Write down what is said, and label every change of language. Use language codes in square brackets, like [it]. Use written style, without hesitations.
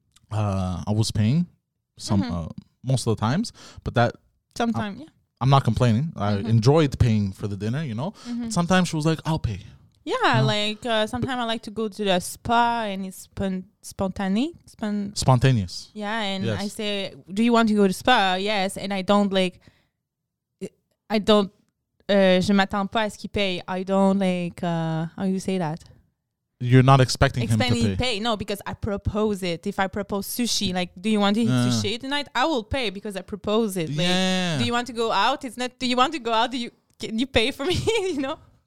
[en] I was paying some most of the times, but that... Sometimes, yeah. I'm not complaining. I enjoyed paying for the dinner, you know. Mm-hmm. Sometimes she was like, I'll pay. Yeah, you know? Like sometimes I like to go to the spa and it's spontaneous. Yeah, and yes. I say, do you want to go to spa? Yes, and I don't, [fr] je m'attends pas à ce qu'il paye. [en] I don't like, how you say that? You're not expecting him to pay. No, because I propose it. If I propose sushi, like, do you want to eat sushi tonight? I will pay because I propose it. Like, yeah. Do you want to go out? It's not. Do you want to go out? Can you pay for me? You know.